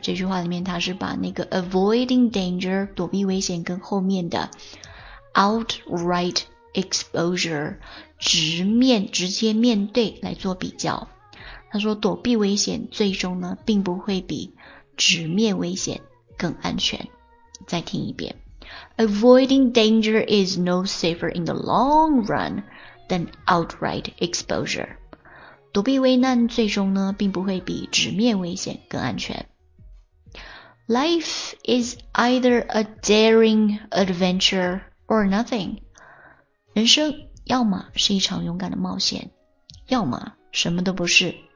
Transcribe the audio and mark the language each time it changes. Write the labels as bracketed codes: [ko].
[zh] 这句话里面它是把那个 [en] avoiding danger, [zh] 躲避危险跟后面的 [en] outright exposure, [zh] 直接面对来做比较。他说躲避危险最终呢并不会比直面危险更安全。再听一遍。 [en] Avoiding danger is no safer in the long run than outright exposure. [zh] 躲避危难最终呢并不会比直面危险更安全。 [en] Life is either a daring adventure or nothing. [zh] 人生要么是一场勇敢的冒险，要么什么都不是。